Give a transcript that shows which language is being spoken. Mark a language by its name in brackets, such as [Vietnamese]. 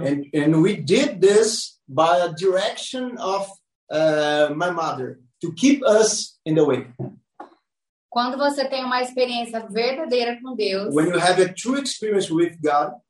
[English] And we did this by a direction of my mother, to keep us in the way. [Portuguese] Quando você tem uma experiência verdadeira com Deus, [English] when you have a true experience with God,